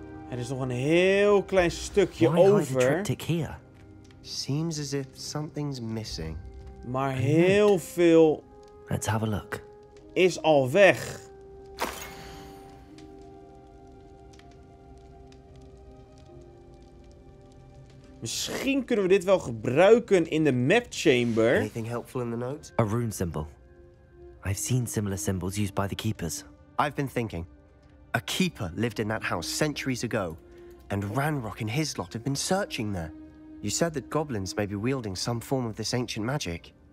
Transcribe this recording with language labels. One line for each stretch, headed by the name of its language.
Dutch: Er is nog een heel klein stukje over.
English: Why hide the triptych here? Seems as if something's missing.
Dutch: Maar heel veel.
English: Let's have a look.
Dutch: Is al weg. Misschien kunnen we dit wel gebruiken in de map chamber.
English: Anything helpful in the notes? A rune symbol. I've seen similar symbols used by the keepers. I've been thinking. A keeper lived in that house centuries ago, and Ranrock and his lot have been searching there. You said that goblins may be wielding some form of this ancient magic.